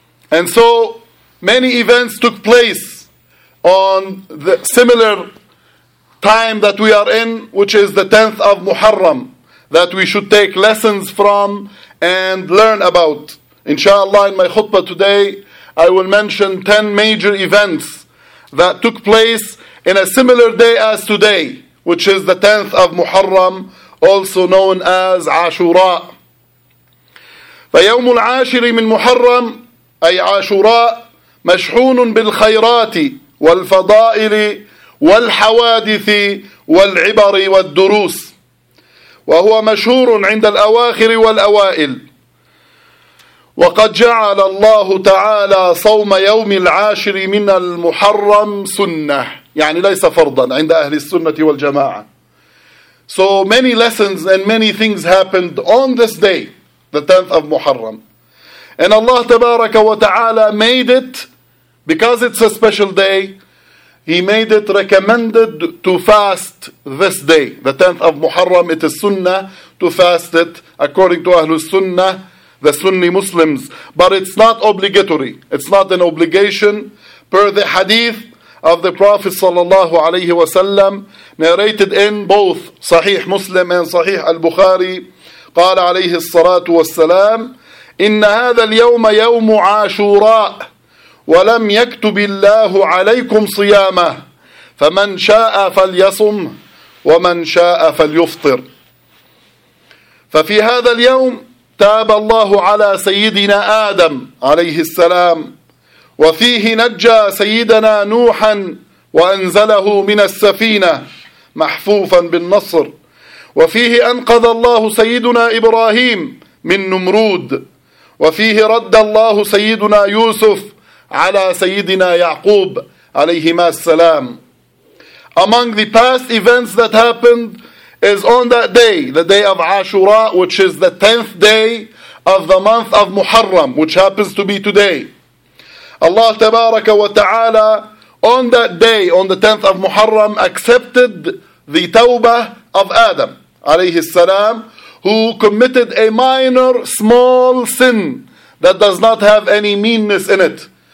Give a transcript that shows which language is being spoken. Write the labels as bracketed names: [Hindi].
[English] And so many events took place on the similar time that we are in, which is the 10th of Muharram, that we should take lessons from and learn about. Inshallah, in my khutbah today, I will mention 10 major events that took place in a similar day as today, which is the 10th of Muharram, also known as Ashura. [Arabic] فيوم العاشر من محرم أي عاشوراء مشحون بالخيرات والفضائل والحوادث والعبر والدروس، وهو مشهور عند الأواخر والأوائل. وقد جعل الله تعالى صوم يوم العاشر من المحرم سنة، يعني ليس فرضا عند أهل السنة والجماعة. [English] So many lessons and many things happened on this day, the 10th of Muharram. And Allah [Arabic] تبارك وتعالى [English] made it, because it's a special day, He made it recommended to fast this day, the 10th of Muharram. It is Sunnah to fast it according to Ahlul Sunnah, the Sunni Muslims. But it's not obligatory. It's not an obligation. Per the hadith of the Prophet sallallahu alayhi wa sallam, narrated in both Sahih Muslim and Sahih al-Bukhari, [Arabic] قال عليه الصلاة والسلام إن هذا اليوم يوم عاشوراء ولم يكتب الله عليكم صيامه فمن شاء فليصم ومن شاء فليفطر. ففي هذا اليوم تاب الله على سيدنا آدم عليه السلام، وفيه نجى سيدنا نوحا وأنزله من السفينة محفوفا بالنصر، وفيه أنقذ الله سيدنا إبراهيم من نمرود، وفيه رد الله سيدنا يوسف على سيدنا يعقوب عليهما السلام. [English] Among the past events that happened is on that day, the day of Ashura, which is the 10th day of the month of Muharram, which happens to be today. Allah Tabaraka wa Ta'ala on that day, on the 10th of Muharram, accepted the tawbah of Adam alayhi salam, who committed a minor, small sin that does not have any meanness in it.